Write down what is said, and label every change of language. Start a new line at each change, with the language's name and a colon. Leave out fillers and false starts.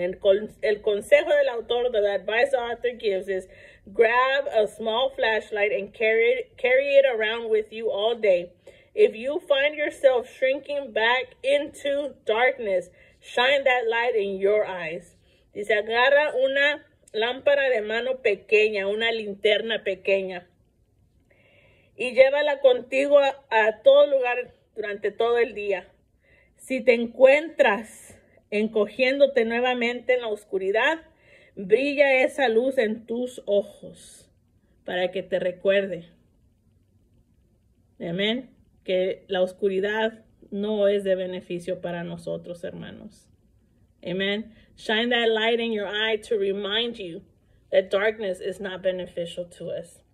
Spanish: El consejo del autor,
English: the advice the author gives is, grab a small flashlight and carry it around with you all day. If you find yourself shrinking back into darkness, shine that light in your eyes.
Spanish: Dice, agarra una lámpara de mano pequeña, una linterna pequeña, y llévala contigo a todo lugar durante todo el día. Si te encuentras encogiéndote nuevamente en la oscuridad, brilla esa luz en tus ojos para que te recuerde, amén, que la oscuridad no es de beneficio para nosotros, hermanos. Amen.
English: Shine that light in your eye to remind you that darkness is not beneficial to us.